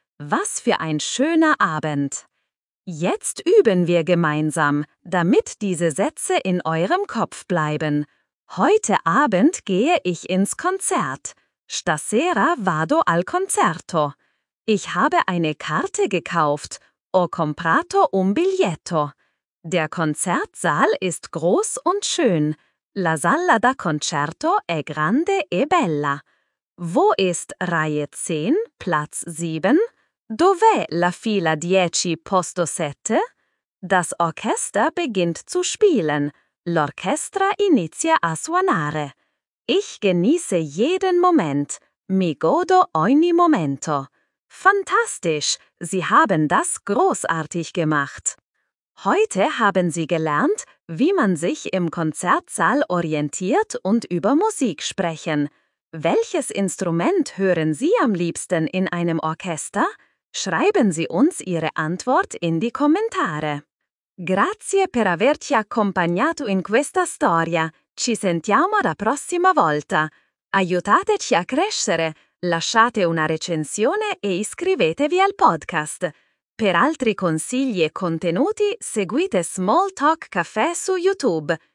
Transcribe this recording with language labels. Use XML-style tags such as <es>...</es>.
<de>Was für ein schöner Abend! Jetzt üben wir gemeinsam, damit diese Sätze in eurem Kopf bleiben. Heute Abend gehe ich ins Konzert.</de> <it>Stasera vado al concerto.</it> <de>Ich habe eine Karte gekauft.</de> <it>Ho comprato un biglietto.</it> <de>Der Konzertsaal ist groß und schön.</de> <it>La sala da concerto è grande e bella.</it> <de>Wo ist Reihe 10, Platz 7?</de> <it>Dov'è la fila 10, posto 7?</it> <de>Das Orchester beginnt zu spielen.</de> <it>L'orchestra inizia a suonare.</it> <de>Ich genieße jeden Moment.</de> <it>Mi godo ogni momento.</it> <de>Fantastisch! Sie haben das großartig gemacht. Heute haben Sie gelernt, wie man sich im Konzertsaal orientiert und über Musik sprechen. Welches Instrument hören Sie am liebsten in einem Orchester? Schreiben Sie uns Ihre Antwort in die Kommentare.</de> <it>Grazie per averci accompagnato in questa storia. Ci sentiamo la prossima volta. Aiutateci a crescere. Lasciate una recensione e iscrivetevi al podcast. Per altri consigli e contenuti, seguite Small Talk Café su YouTube.</it>